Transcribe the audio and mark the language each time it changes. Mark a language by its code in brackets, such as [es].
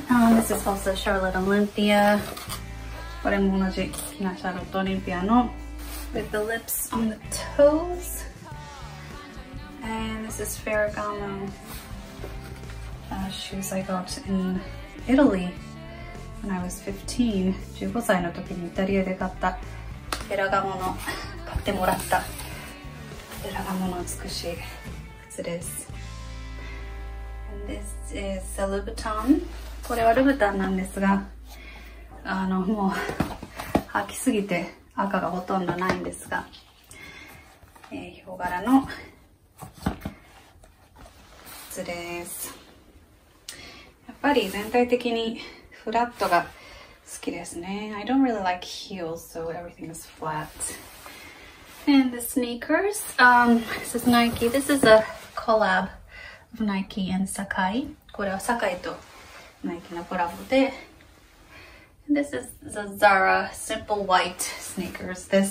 [en] This is also Charlotte Olympia. [ja] これも同じ好きなシャーロットオリンピアの [en] with the lips on the toes. And this is Ferragamo. Shoes I got in Italy when I was 15. [ja] 15歳の時にイタリアで買ったフェラガモの、買ってもらったフェラガモの美しい靴です。 [en] And this is a Louboutin. [ja] これはルブタンなんですが、もう履きすぎて赤がほとんどないんですが、ヒョウ柄の靴です。やっぱり全体的にフラットが好きですね。 [en] I don't really like heels, so everything is flat. And the sneakers, this is Nike. This is a collab of Nike and Sakai. [ja] これは Sakai と Nike のコラボで。 [en] And this is the Zara simple white sneakers.